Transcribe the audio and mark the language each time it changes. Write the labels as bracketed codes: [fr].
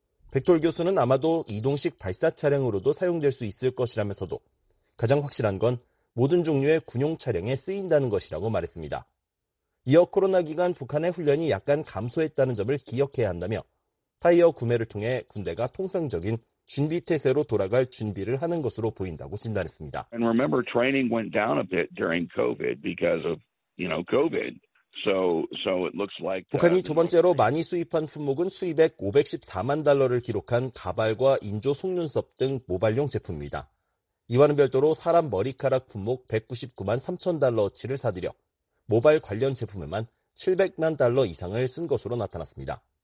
[ko] 백톨 교수는 아마도 이동식 발사 차량으로도 사용될 수 있을 것이라면서도 가장 확실한 건 모든 종류의 군용 차량에 쓰인다는 것이라고 말했습니다. 이어 코로나 기간 북한의 훈련이 약간 감소했다는 점을 기억해야 한다며 타이어 구매를 통해 군대가 통상적인 준비태세로 돌아갈 준비를 하는 것으로 보인다고 진단했습니다. [en] And remember, training went down a bit during COVID because of, you know, COVID. So it looks like [ko] 북한이 두 번째로 많이 수입한 품목은 수입액 514만 달러를 기록한 가발과 인조 속눈썹 등 모발용 제품입니다. 이와는 별도로 사람 머리카락 품목 199만 3천 달러어치를 사들여 모발 관련 제품에만 700만 달러 이상을 쓴 것으로 나타났습니다.